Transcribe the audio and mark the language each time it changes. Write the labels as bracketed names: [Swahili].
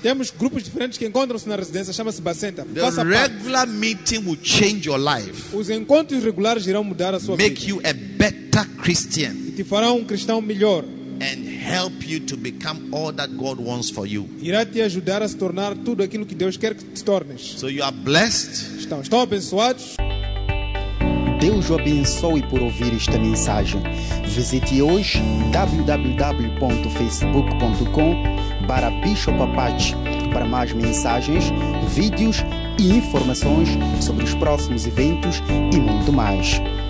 [Portuguese] Temos grupos diferentes que encontram-se na residência. Chama-se Bacenta. [English] The regular meeting will change your life. [Portuguese] Os encontros regulares irão mudar a sua vida. [English] Make you a better Christian. [Portuguese] E te fará cristão melhor. [English] And help you to become all that God wants for you. [Portuguese] Irá te ajudar a se tornar tudo aquilo que Deus quer que te tornes. [English] So you are blessed. [Portuguese] Estão abençoados. Deus o abençoe por ouvir esta mensagem. Visite hoje www.facebook.com/bishopapache para mais mensagens, vídeos e informações sobre os próximos eventos e muito mais.